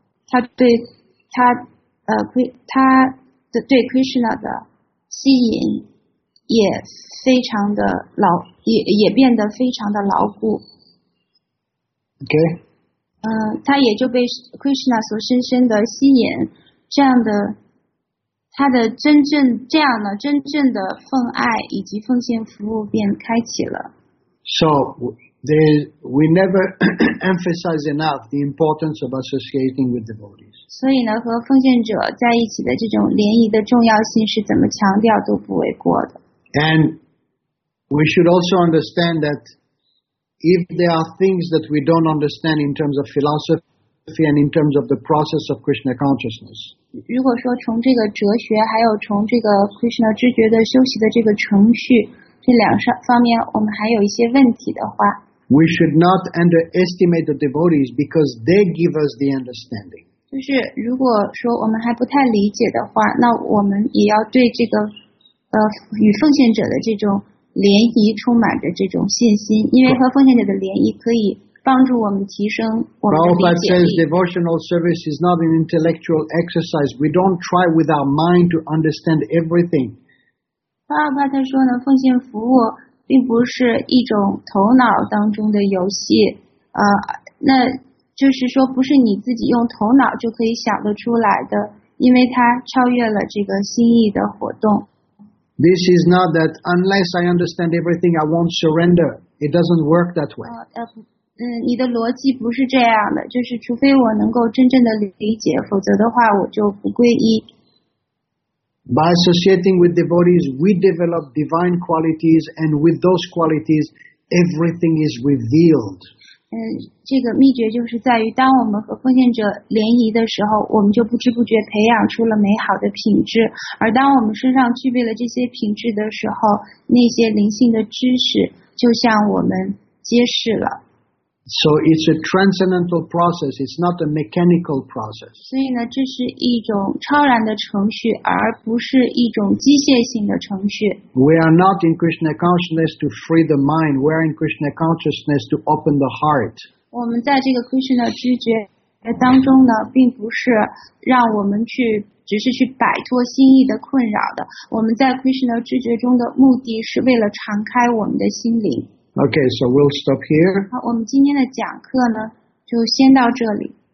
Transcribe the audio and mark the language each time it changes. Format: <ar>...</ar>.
<zh>他对他的对 Krishna 的吸引也非常的牢，也变得非常的牢固。 OK。他也就被 Krishna 所深深的吸引，这样的。他的真正这样呢，真正的奉爱以及奉献服务便开启了。</zh> <en>So we never emphasize enough the importance of associating with devotees.</en> <zh>所以呢，和奉献者在一起的这种联谊的重要性是怎么强调都不为过的。</zh> <en>And we should also understand that if there are things that we don't understand in terms of philosophy. And in terms of the process of Krishna consciousness.</en> <zh>如果说从这个哲学，还有从这个 Krishna 知觉的休息的这个程序，这两方面我们还有一些问题的话，</zh> <en>we should not underestimate the devotees because they give us the understanding.</en> <zh>就是如果说我们还不太理解的话，那我们也要对这个与奉献者的这种联谊充满着这种信心，因为和奉献者的联谊可以。帮助我们提升我们的理解力。</zh> <en>Prabhupada says devotional service is not an intellectual exercise. We don't try with our mind to understand everything.</en> <zh>Prabhupada 说呢，奉献服务并不是一种头脑当中的游戏，那就是说不是你自己用头脑就可以想得出来的，因为它超越了这个心意的活动。</zh> <en>This is not that unless I understand everything, I won't surrender. It doesn't work that way.</en> <zh>你的逻辑不是这样的，就是除非我能够真正的理解，否则的话我就不皈依。</zh> <en>By associating with devotees, we develop divine qualities, and with those qualities, everything is revealed.</en> <zh>这个秘诀就是在于当我们和奉献者联谊的时候，我们就不知不觉培养出了美好的品质，而当我们身上具备了这些品质的时候，那些灵性的知识就向我们揭示了。</zh> <en>So it's a transcendental process, it's not a mechanical process.</en> <zh>所以呢，这是一种超然的程序，而不是一种机械性的程序。</zh> <en>We are not in Krishna consciousness to free the mind, we are in Krishna consciousness to open the heart.</en> <zh>我们在这个 Krishna 知觉当中呢，并不是让我们去只是去摆脱心意的困扰的。我们在 Krishna 知觉中的目的是为了敞开我们的心灵。</zh> <en>Okay, so we'll stop here.</en> <zh>好，我们今天的讲课呢，就先到这里。</zh>